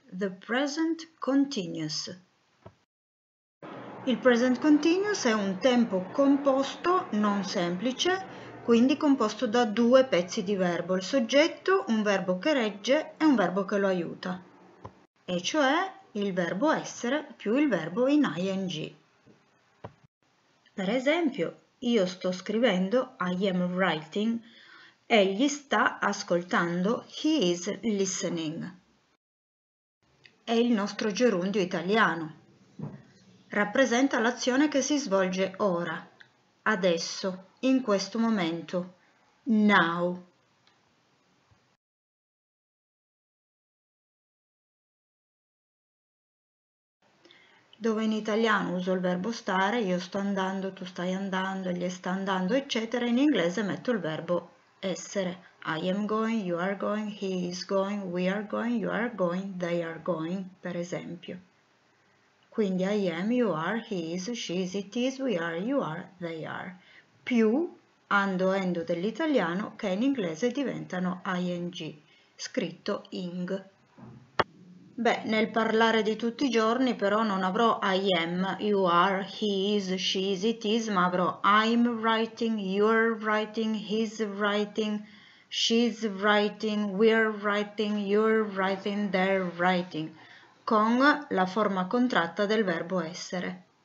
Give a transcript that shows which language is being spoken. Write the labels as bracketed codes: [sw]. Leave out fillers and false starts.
[en] The present continuous. [it] Il present continuous è un tempo composto, non semplice, quindi composto da due pezzi di verbo, il soggetto, un verbo che regge e un verbo che lo aiuta, e cioè il verbo essere più il verbo in ing. Per esempio, io sto scrivendo, [en] I am writing, [it] egli sta ascoltando, [en] he is listening. [it] È il nostro gerundio italiano. Rappresenta l'azione che si svolge ora, adesso, in questo momento, now. Dove in italiano uso il verbo stare, io sto andando, tu stai andando, egli sta andando, eccetera, in inglese metto il verbo essere. [en] I am going, you are going, he is going, we are going, you are going, they are going, [it] per esempio. [en] Quindi I am, you are, he is, she is, it is, we are, you are, they are. [it] Più ando, endo dell'italiano che in inglese diventano ing, scritto ing. Beh, nel parlare di tutti i giorni però non avrò [en] I am, you are, he is, she is, it is, [it] ma avrò [en] I'm writing, you're writing, he's writing, she's writing, we're writing, you're writing, they're writing, [it] con la forma contratta del verbo essere.